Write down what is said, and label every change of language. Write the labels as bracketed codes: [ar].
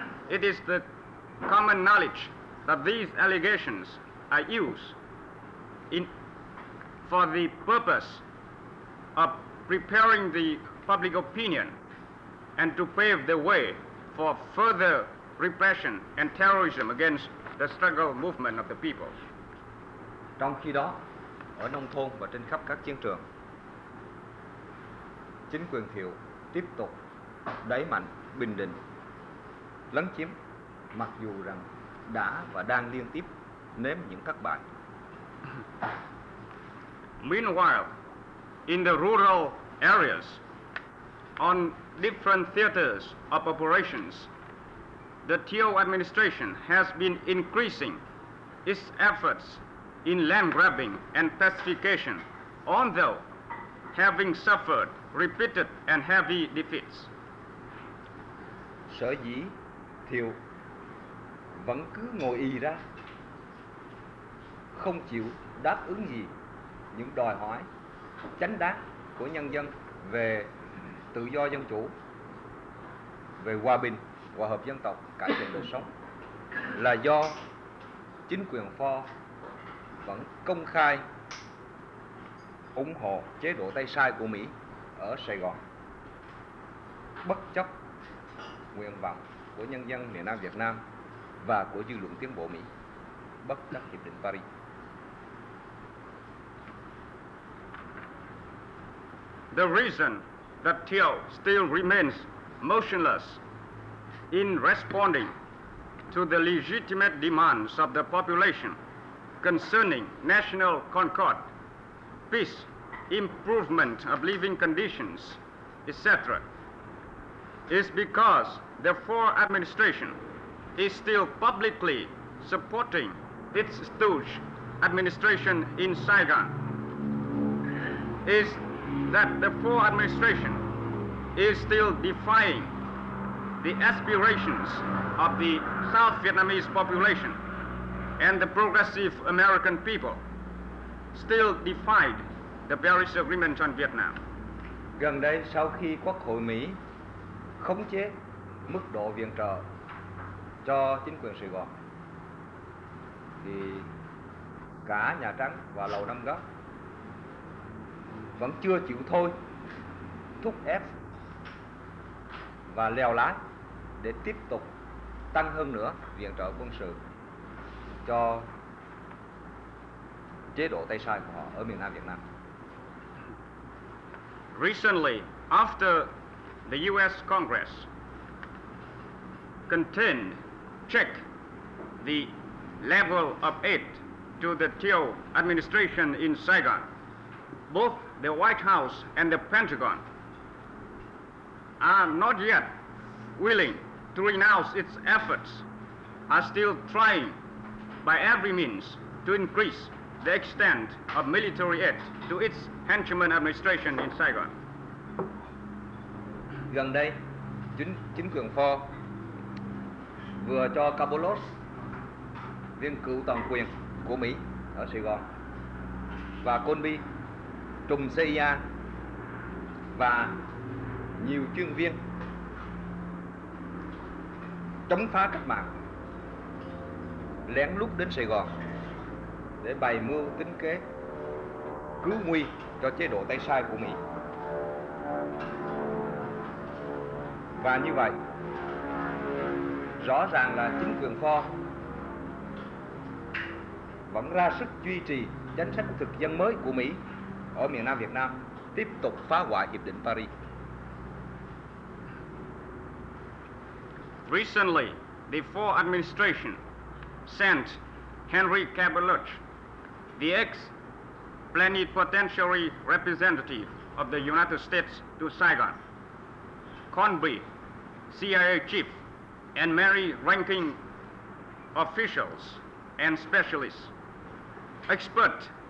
[en] It is the common knowledge that these allegations are used for the purpose of preparing the public opinion and to pave the way for further repression and terrorism against the struggle movement of the people. [vi] Trong khi đó, ở nông thôn và trên khắp các chiến trường, chính quyền Thiệu tiếp tục đẩy mạnh bình định, lấn chiếm, mặc dù rằng đã và đang liên tiếp nếm những thất bại. [en] Meanwhile, in the rural areas, on different theaters of operations, the Thieu administration has been increasing its efforts in land grabbing and pacification, although having suffered repeated and heavy defeats. [vi] Sở dĩ Thiệu vẫn cứ ngồi ì ra, không chịu đáp ứng gì những đòi hỏi chánh đáng của nhân dân về tự do dân chủ, về hòa bình, hòa hợp dân tộc, cải thiện đời sống, là do chính quyền Pho vẫn công khai ủng hộ chế độ tay sai của Mỹ ở Sài Gòn, bất chấp nguyện vọng của nhân dân miền Nam Việt Nam và của dư luận tiến bộ Mỹ, bất chấp Hiệp định Paris. [en] The reason that Thieu still remains motionless in responding to the legitimate demands of the population concerning national concord, peace, improvement of living conditions, etc., is because the Pho administration is still publicly supporting its stooge administration in Saigon. Is that the Pho administration is still defying the aspirations of the South Vietnamese population and the progressive American people, still defied the Paris Agreement on Vietnam. [vi] Gần đây, sau khi Quốc hội Mỹ khống chế mức độ viện trợ cho chính quyền Sài Gòn, thì cả Nhà Trắng và Lầu Năm Góc vẫn chưa chịu thôi thúc ép và lèo lái để tiếp tục tăng hơn nữa viện trợ quân sự cho chế độ tay sai của họ ở miền Nam Việt Nam. [en] Recently, after the US Congress contained check the level of aid to the Thieu administration in Saigon, both the White House and the Pentagon are not yet willing to renounce its efforts, are still trying by every means to increase the extent of military aid to its henchman administration in Saigon. [vi] Gần đây, chính quyền Pho vừa cho Kabulos, viên cựu toàn quyền của Mỹ ở Sài Gòn, và Colby, trùm CIA và nhiều chuyên viên chống phá cách mạng lén lút đến Sài Gòn để bày mưu tính kế cứu nguy cho chế độ tay sai của Mỹ. Và như vậy, rõ ràng là chính quyền Pho vẫn ra sức duy trì chính sách thực dân mới của Mỹ ở miền Nam Việt Nam, tiếp tục phá hoại Hiệp định Paris. [en] Recently, the Pho administration sent Henry Cabellot, the ex-plenipotentiary representative of the United States to Saigon, Conby, CIA chief, and many ranking officials and specialists, expert